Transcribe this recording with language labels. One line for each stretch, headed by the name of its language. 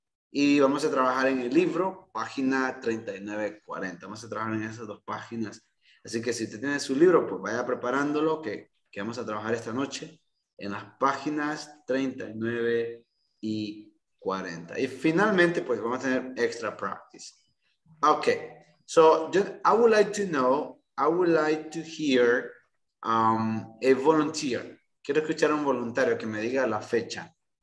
Spanish: Y vamos a trabajar en el libro, página 39-40. Vamos a trabajar en esas dos páginas. Así que si usted tiene su libro, pues vaya preparándolo, que vamos a trabajar esta noche en las páginas 39 y 40. Y finalmente, pues vamos a tener extra practice.
English: Ok, so I would like to know, I would like to hear a volunteer.
Spanish: Quiero escuchar a un voluntario que me diga la fecha.